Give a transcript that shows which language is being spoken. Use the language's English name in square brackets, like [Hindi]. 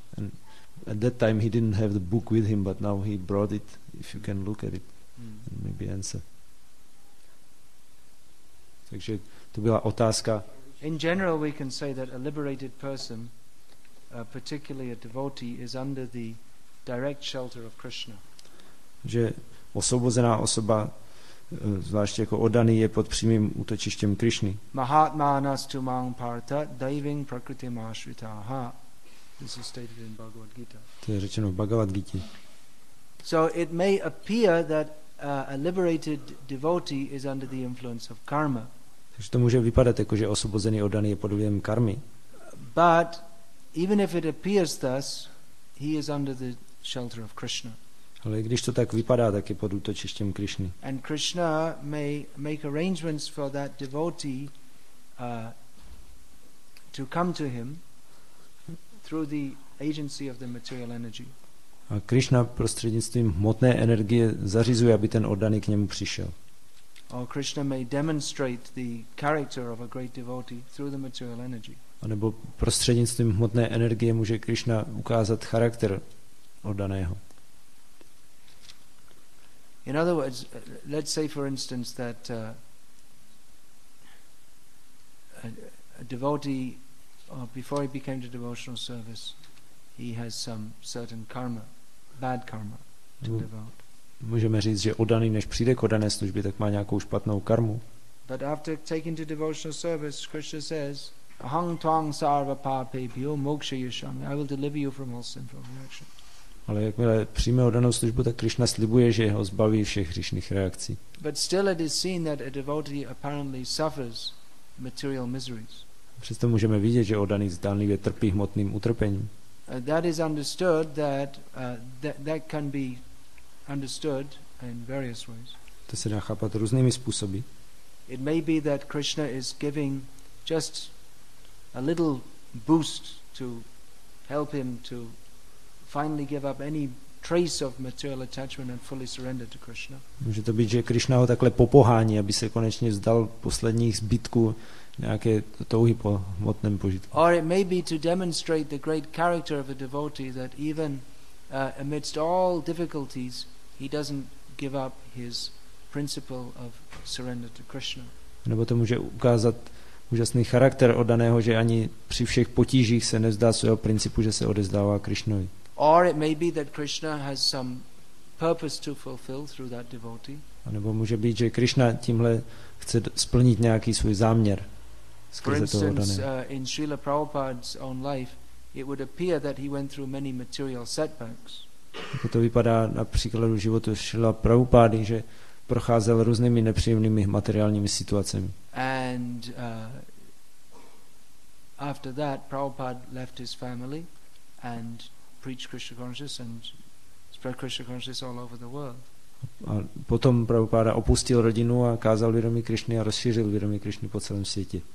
[English] And at that time he didn't have the book with him, but now he brought it, if you can look at it and maybe answer. [Czech] Takže to byla otázka. [English] In general we can say that a liberated person, particularly a devotee, is under the direct shelter of Krishna. [Czech] Že osvobozená osoba, zvláště jako oddaný, je pod přímým útočištěm Krishny. [Sanskrit] Mahatmanas tu mam partha daivin prakritim ashritaha. [English] This is stated in Bhagavad Gita. [Czech] To je řečeno v Bhagavad Gita. [English] So it may appear that a liberated devotee is under the influence of karma. [Czech] Takže to může vypadat jako, že osvobozený oddaný je pod vlivem karmy. [English] But even if it appears thus, he is under the shelter of Krishna. [Czech] Ale když to tak vypadá, tak je pod útočištěm Krišny. [English] And Krishna may make arrangements for that devotee to come to him through the agency of the material energy. [Czech] A Krishna prostřednictvím hmotné energie zařizuje, aby ten oddaný k němu přišel. [English] Or Krishna may demonstrate the character of a great devotee through the material energy. [Czech] A nebo prostřednictvím hmotné energie může Krishna ukázat charakter oddaného. [English] In other words, let's say for instance that a devotee, or before he became to devotional service, he has some certain karma, bad karma to devote. [Czech] Můžeme říct, že oddaný, než přijde k oddané službě, tak má nějakou špatnou karmu. [English] But after taking to devotional service, Krishna says, [Sanskrit] "Hang tong sarva papebhyo moksha yashami. [English] I will deliver you from all sinful reactions." [Czech] Ale jakmile přijme oddanou službu, tak Krishna slibuje, že ho zbaví všech hříšných reakcí. [English] But still it is seen that a devotee apparently suffers material miseries. [Czech] Přesto můžeme vidět, že oddaný zdánlivě trpí hmotným utrpením. [English] That is understood that that can be understood in various ways. [Czech] To se dá chápat různými způsoby. [English] It may be that Krishna is giving just a little boost to help him to finally give up any trace of material attachment and fully surrender to Krishna. [Czech] Může to být, že Krishna ho takhle popohání, aby se konečně vzdal posledních zbytků nějaké touhy po hmotném požitku. [English] Or it may be to demonstrate the great character of a devotee that even amidst all difficulties he doesn't give up his principle of surrender to Krishna. [Czech] Nebo to může ukázat úžasný charakter oddaného, že ani při všech potížích se nevzdá svého principu, že se odezdává Krishnovi. [English] Or it may be that Krishna has some purpose to fulfill through that devotee. [Czech] A nebo může být, že Krishna tímhle chce splnit nějaký svůj záměr skrze toho oddaného. [English] For instance, in Srila Prabhupada's own life, it would appear that he went through many material setbacks. [Czech] Jako to vypadá na příkladu životu Srila Prabhupády, že procházel různými nepříjemnými materiálními situacemi. [English] And after that, Prabhupada left his family and preached Krishna consciousness and spread Krishna consciousness all over the world. [Czech] A potom Prabhupada opustil rodinu a kázal vědomí Krišny a rozšířil vědomí Krišny po celém světě.